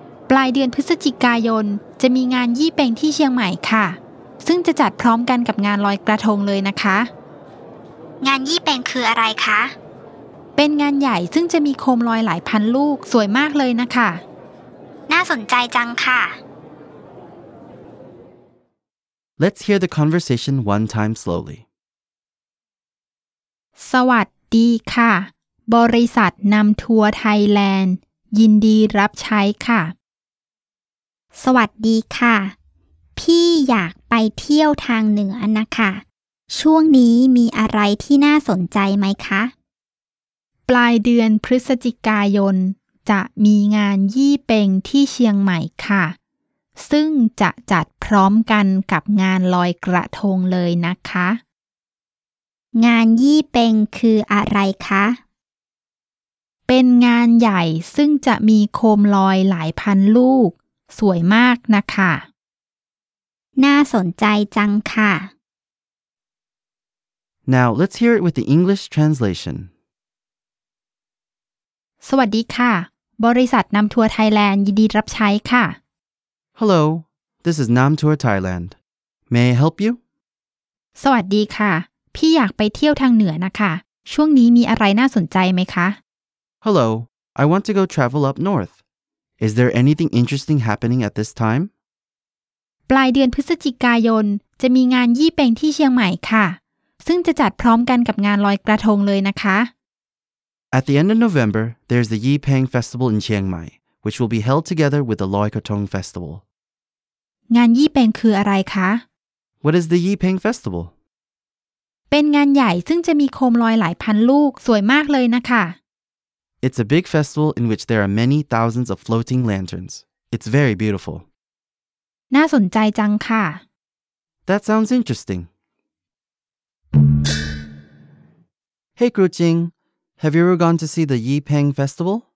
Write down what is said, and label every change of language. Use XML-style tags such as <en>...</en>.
<th>ปลายเดือนพฤศจิกายนจะมีงานยี่เป็งที่เชียงใหม่ค่ะซึ่งจะจัดพร้อมกันกับงานลอยกระทงเลยนะคะ งานยี่เป็งคืออะไรคะ เป็นงานใหญ่ซึ่งจะมีโคมลอยหลายพันลูกสวยมากเลยนะคะ น่าสนใจจังค่ะ</th> <en>Let's hear the conversation one time slowly</en> <th>สวัสดีค่ะบริษัทนำทัวร์ไทยแลนด์ยินดีรับใช้ค่ะ สวัสดีค่ะพี่อยากไปเที่ยวทางเหนือนะคะช่วงนี้มีอะไรที่น่าสนใจไหมคะ ปลายเดือนพฤศจิกายนจะมีงานยี่เป็งที่เชียงใหม่ค่ะซึ่งจะจัดพร้อมกันกับงานลอยกระทงเลยนะคะ งานยี่เป็งคืออะไรคะ เป็นงานใหญ่ซึ่งจะมีโคมลอยหลายพันลูกสวยมากนะคะ น่าสนใจจังค่ะ</th> <en>Now let's hear it with the English translation</en> <th>สวัสดีค่ะบริษัทนำทัวร์ไทยแลนด์ยินดีรับใช้ค่ะ</th> <en>Hello this is Nam Tour Thailand May I help you</en> <th>สวัสดีค่ะพี่อยากไปเที่ยวทางเหนือนะคะช่วงนี้มีอะไรน่าสนใจไหมคะ</th> <en>Hello, I want to go travel up north. Is there anything interesting happening at this time?</en> <th>ปลายเดือนพฤศจิกายนจะมีงานยี่เป็งที่เชียงใหม่ค่ะซึ่งจะจัดพร้อมกันกับงานลอยกระทงเลยนะคะ</th> <en>At the end of November, there's the Yi Peng Festival in Chiang Mai, which will be held together with the Loi Krathong Festival.</en> <th>งานยี่เป็งคืออะไรคะ</th> <en>What is the Yi Peng Festival?</en> <th>เป็นงานใหญ่ซึ่งจะมีโคมลอยหลายพันลูกสวยมากเลยนะคะ</th> <en>It's a big festival in which there are many thousands of floating lanterns. It's very beautiful.</en> <th>น่าสนใจจังค่ะ</th> <en>That sounds interesting. Hey, Kru Ching. Have you ever gone to see the Yi Peng Festival?</en>